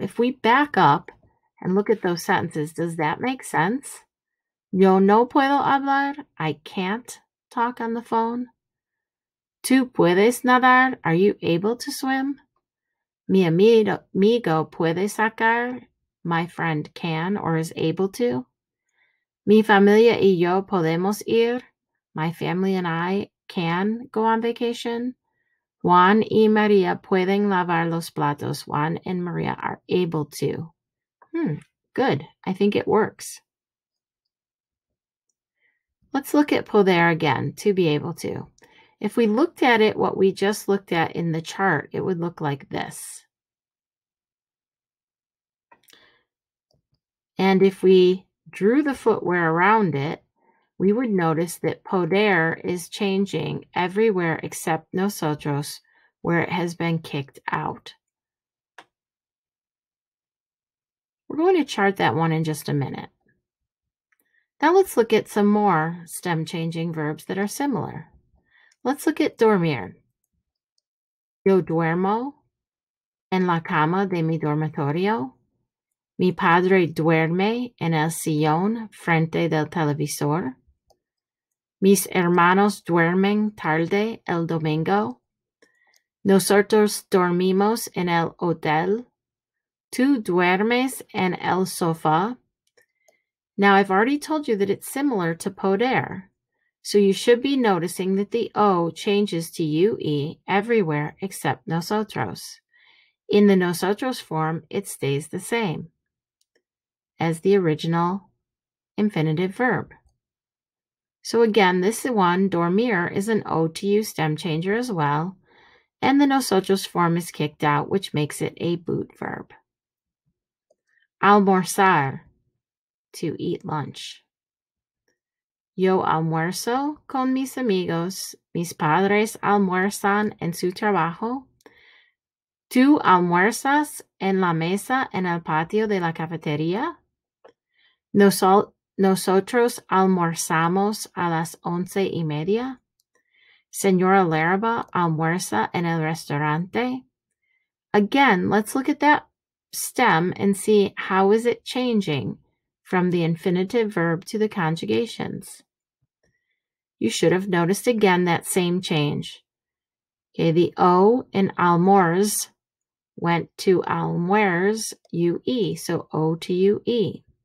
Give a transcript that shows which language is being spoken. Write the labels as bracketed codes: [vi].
[en] If we back up and look at those sentences, does that make sense? [es] Yo no puedo hablar. [en] I can't talk on the phone. [es] Tú puedes nadar. [en] Are you able to swim? [es] Mi amigo puede sacar. [en] My friend can or is able to. [es] Mi familia y yo podemos ir. [en] My family and I can go on vacation. [es] Juan y María pueden lavar los platos. [en] Juan and María are able to. Good. I think it works. Let's look at poder again, to be able to. If we looked at it, what we just looked at in the chart, it would look like this. And if we drew the footwear around it, we would notice that poder is changing everywhere except nosotros, where it has been kicked out. We're going to chart that one in just a minute. Now let's look at some more stem-changing verbs that are similar. Let's look at dormir. [es] Yo duermo en la cama de mi dormitorio. Mi padre duerme en el sillón frente del televisor. Mis hermanos duermen tarde el domingo. Nosotros dormimos en el hotel. Tú duermes en el sofá. [en] Now, I've already told you that it's similar to poder, so you should be noticing that the O changes to UE everywhere except nosotros. In the nosotros form, it stays the same as the original infinitive verb. So again, this one, dormir, is an O to U stem changer as well, and the nosotros form is kicked out, which makes it a boot verb. Almorzar, to eat lunch. [es] Yo almuerzo con mis amigos. Mis padres almuerzan en su trabajo. Tú almuerzas en la mesa en el patio de la cafetería. Nosotros almorzamos a las 11:30. Señora Larraba almuerza en el restaurante. [en] Again, let's look at that stem and see how is it changing from the infinitive verb to the conjugations. You should have noticed again that same change. Okay, the O in almorz went to almuerz, U-E, so O to U-E.